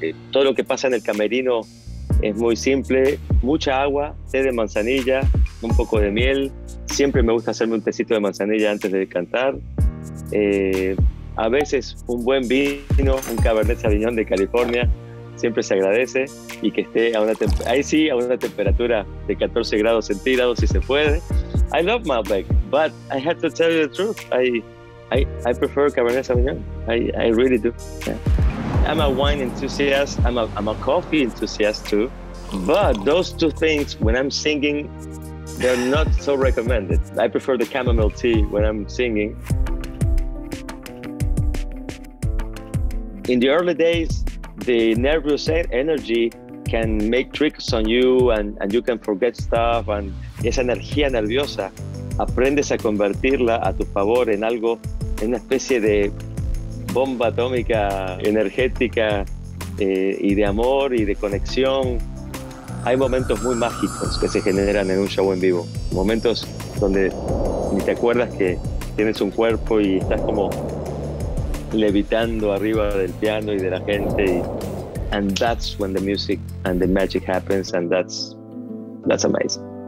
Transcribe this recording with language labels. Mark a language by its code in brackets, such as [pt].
[es] Todo lo que pasa en el camerino es muy simple. Mucha agua, té de manzanilla, un poco de miel. Siempre me gusta hacerme un tecito de manzanilla antes de cantar. A veces un buen vino, un Cabernet Sauvignon de California, siempre se agradece. Y que esté a una temperatura de 14 grados centígrados, si se puede. [en] I love Malbec, but I have to tell you the truth. I prefer Cabernet Sauvignon. I really do. Yeah. I'm a wine enthusiast. I'm a coffee enthusiast too. But those two things, when I'm singing, they're not so recommended. I prefer the chamomile tea when I'm singing. In the early days, the nervous energy can make tricks on you, and you can forget stuff. [es] And esa energía nerviosa, aprendes a convertirla a tu favor en algo. Es una especie de bomba atómica energética y de amor y de conexión. Hay momentos muy mágicos que se generan en un show en vivo. Momentos donde ni te acuerdas que tienes un cuerpo y estás como levitando arriba del piano y de la gente. [en] And that's when the music and the magic happens, and that's amazing.